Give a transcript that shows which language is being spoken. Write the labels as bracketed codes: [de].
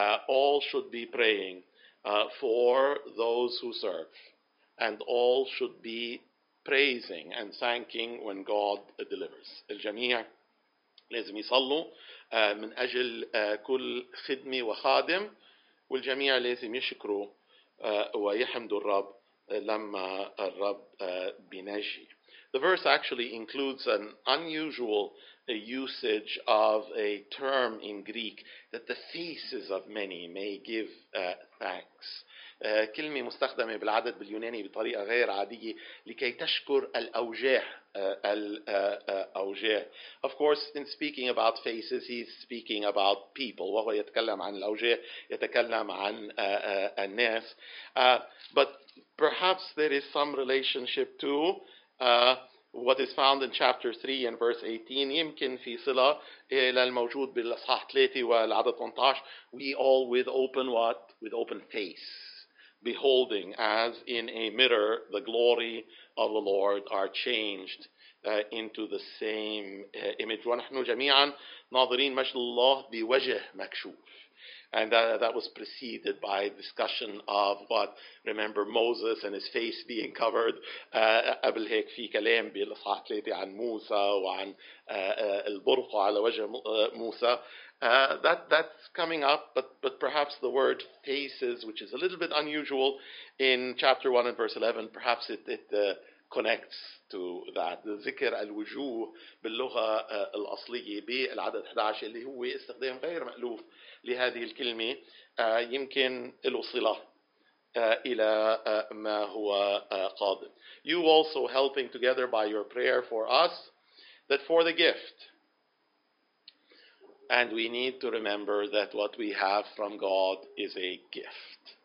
[en] All should be praying for those who serve, and all should be praising and thanking when God delivers. [ar] الجميع لازم يصلوا من أجل كل خدمة وخادم، والجميع لازم يشكروا ويحمدوا الرب لما الرب بينجي. [en] The verse actually includes an unusual a usage of a term in Greek that the faces of many may give thanks. [ar] كلمة مستخدمة بالعدد باليوناني بطريقة غير عادية لكي تشكر الأوجاع الأوجاع. [en] Of course, in speaking about faces, he's speaking about people. [ar] وهو يتكلم عن الأوجاع يتكلم عن الناس. [en] But perhaps there is some relationship to what is found in chapter 3 and verse 18. [ar] يمكن في صلة إلى الموجود بالأصحاح 3 والعدد 18. [en] We all with open what? With open face. Beholding as in a mirror the glory of the Lord are changed into the same image. [ar] ونحن جميعا ناظرين مجد الله بوجه مكشوف. [en] And that was preceded by discussion of what, remember Moses and his face being covered. [ar] قبل هيك في كلام بالإصحاح 3 عن موسى وعن البرقع على وجه موسى. [en] That's coming up, but perhaps the word faces, which is a little bit unusual in chapter 1 and verse 11, perhaps it connects to that. [ar] ذكر الوجوه باللغة الأصلية بالعدد 11 اللي هو استخدام غير مألوف لهذه الكلمة يمكن له صلة إلى ما هو قادم. [en] You also helping together by your prayer for us, that for the gift. And we need to remember that what we have from God is a gift.